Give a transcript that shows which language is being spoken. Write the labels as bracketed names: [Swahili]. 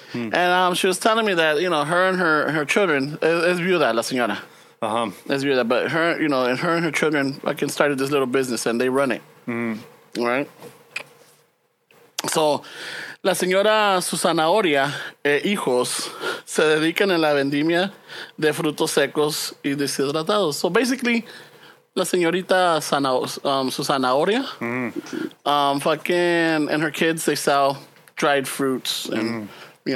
[English] And she was telling me that, you know, her and her children, [Spanish] es viuda, la señora. Uh-huh. Es viuda, [English] but her, you know, and her and her children fucking started this little business and they run it. Mm. Right? So, [Spanish] la señora Susanahoria e hijos se dedican en la vendimia de frutos secos y deshidratados. [English] So, basically, la señorita Susanahoria, fucking, and her kids, they sell dried fruits and you